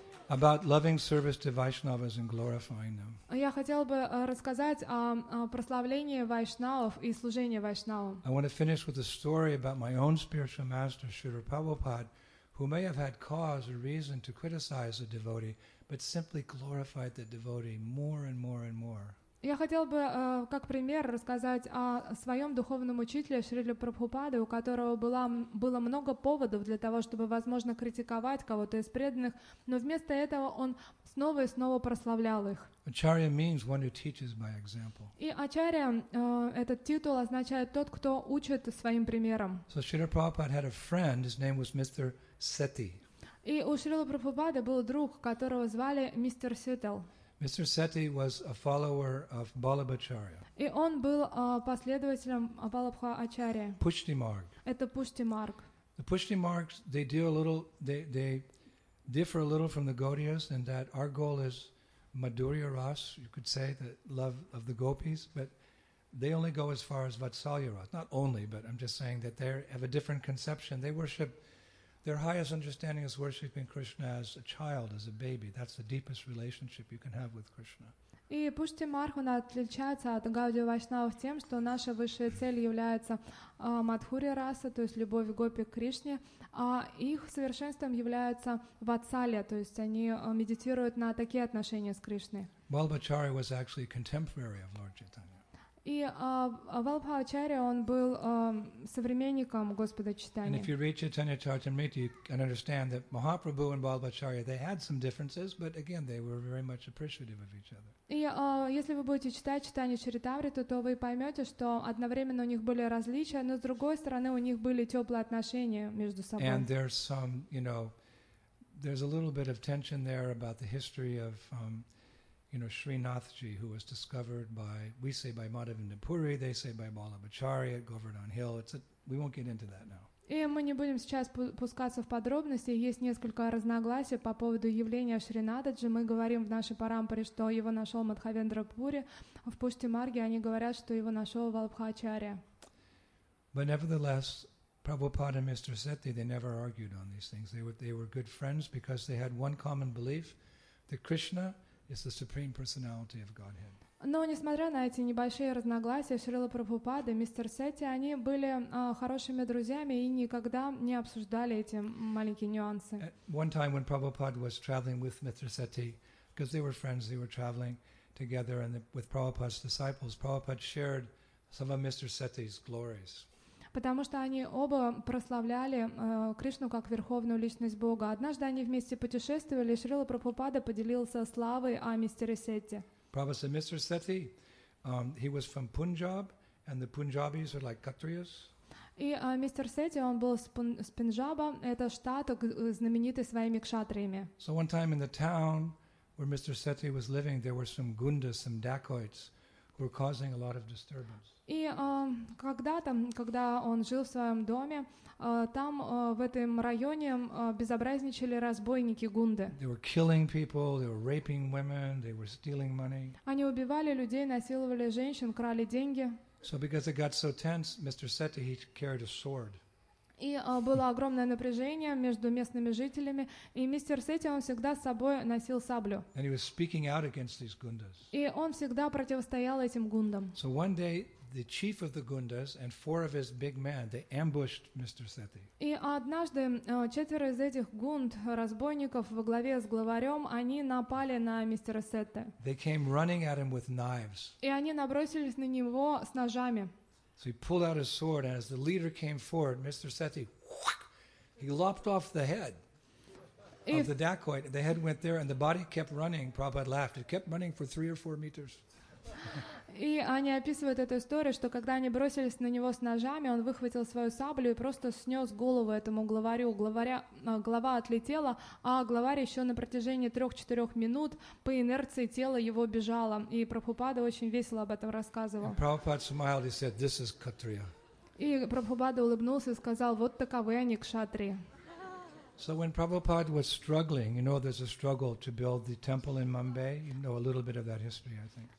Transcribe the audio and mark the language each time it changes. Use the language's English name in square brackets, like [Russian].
[English] About loving service to Vaishnavas and glorifying them. [Russian] Я хотел бы рассказать о прославлении вайшнавов и служении вайшнавам. [English] I want to finish with a story about my own spiritual master, Śrīla Prabhupāda, who may have had cause or reason to criticize a devotee, but simply glorified the devotee more and more and more. [Russian] Я хотел бы как пример рассказать о своем духовном учителе Шриле Прабхупаде, у которого было много поводов для того, чтобы, возможно, критиковать кого-то из преданных, но вместо этого он снова и снова прославлял их. [English] Acharya means one who teaches by example. [Russian] И Acharya, этот титул означает тот, кто учит своим примером. [English] So Śrīla Prabhupāda had a friend, his name was Mr. Sethi. [Russian] И у Шрилы Прабхупады был друг, которого звали мистер Сетел. [English] Mr. Sethi was a follower of Balabhacharya. [Russian] И он был последователем Балабха Ачарьи. Пуштимарг. Это Пуштимарг. [English] The Пуштимаргs, they differ a little from the Gaudiyas in that our goal is Madhurya Ras, you could say, the love of the gopis, but they only go as far as Vatsalya Ras. Not only, but I'm just saying that they have a different conception. They worship. Their highest understanding is worshiping Krishna as a child, as a baby. That's the deepest relationship you can have with Krishna. [Russian] И Пуштимарг он отличается от Гауди Вайшнавов тем, что наша высшая цель является Мадхурья раса, то есть любовь гопи к Кришне, а их совершенством является Ватсалья, то есть они медитируют на такие отношения с Кришной. [English] Balabhacharya was actually contemporary of Lord Chaitanya. [Russian] И Валбха Ачарья, он был современником Господа Чайтаньи. [English] And if you read Chaitanya Charitamrita, you can understand that Mahaprabhu and Balabhacharya, they had some differences, but again, they were very much appreciative of each other. [Russian] И если вы будете читать Чайтанья Чаритамриту, то вы поймете, что одновременно у них были различия, но с другой стороны, у них были теплые отношения между собой. [English] And there's some, you know, there's a little bit of tension there about the history of you know, Srinathji, who was discovered by, we say by Madhavendra Puri, they say by Balabhacharya at Govardhan Hill. We won't get into that now. [Russian] И мы не будем сейчас пускаться в подробности. Есть несколько разногласий по поводу явления Шринададжи. Мы говорим в нашей парампаре, что его нашел Мадхавендра Пури. В Пуштимарге они говорят, что его нашел Валбхачарья. [English] But nevertheless, Prabhupada and Mr. Sethi, they never argued on these things. They were good friends because they had one common belief that Krishna is the Supreme Personality of Godhead. [Russian] Но несмотря на эти небольшие разногласия, Шрила Прабхупада и мистер Сети, они были хорошими друзьями и никогда не обсуждали эти маленькие нюансы. [English] At one time when Prabhupada was traveling with Mr. Sethi, because they were friends, they were traveling together and with Prabhupada's disciples, Prabhupada shared some of Mr. Sethi's glories. [Russian] Потому что они оба прославляли Кришну как Верховную Личность Бога. Однажды они вместе путешествовали, и Шрила Прабхупада поделился славой о мистере Сети. [English] Prabhupada said, Mr. Sethi, he was from Punjab, and the Punjabis are like Kshatriyas. [Russian] И мистер Сети, он был с Пенджаба, это штат, знаменитый своими кшатриями. [English] So one time in the town where Mr. Sethi was living, there were some gundas, some dacoits, who were causing a lot of disturbance. [Russian] И когда-то, когда он жил в своем доме, там, в этом районе, безобразничали разбойники гунды. [English] They were killing people, they were raping women, they were stealing money. [Russian] Они убивали людей, насиловали женщин, крали деньги. [English] So because it got so tense, Mr. Sethi, he carried a sword. [Russian] И было огромное напряжение между местными жителями, и мистер Сети, он всегда с собой носил саблю. [English] And he was speaking out against these gundas. [Russian] И он всегда противостоял этим гундам. [English] So one day, the chief of the gundas and four of his big men, they ambushed Mr. Sethi. [Russian] И однажды четверо из этих гунд, разбойников во главе с главарем, они напали на мистера Сети. [English] They came running at him with knives. [Russian] И они набросились на него с ножами. [English] So he pulled out his sword, and as the leader came forward, Mr. Sethi, he lopped off the head of the dacoit. The head went there, and the body kept running. Prabhupada laughed. It kept running for 3 or 4 meters. [Russian] И Аня описывает эту историю, что когда они бросились на него с ножами, он выхватил свою саблю и просто снес голову этому главарю. Глава отлетела, а главарь еще на протяжении 3-4 минут по инерции тела его бежало. И Прабхупада очень весело об этом рассказывал. [English] Prabhupada smiled, he said, "This is Kshatriya." [Russian] И Прабхупада улыбнулся и сказал, вот таковы они, кшатрии. [English] So when Prabhupada was struggling, you know, there's a struggle to build the temple in Mumbai. You know a little bit of that history, I think.